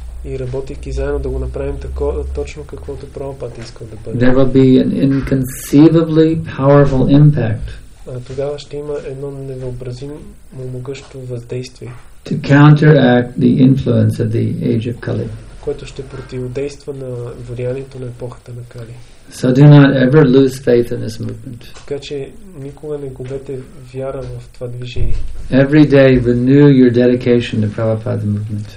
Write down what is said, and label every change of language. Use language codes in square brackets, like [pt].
[bg] и работейки заедно да го направим тако, точно каквото Прабхупада иска да бъде. [en] There will be an inconceivably powerful impact. [bg] Тогава ще има едно невъобразимо могъщо въздействие. [en] To counteract the influence of the age of Kali. [bg] Което ще противодейства на влиянието на епохата на Кали. [en] So do not ever lose faith in this movement. [bg] Така че никога не губете вяра в това движение. [en] Every day renew your dedication to Prabhupada movement.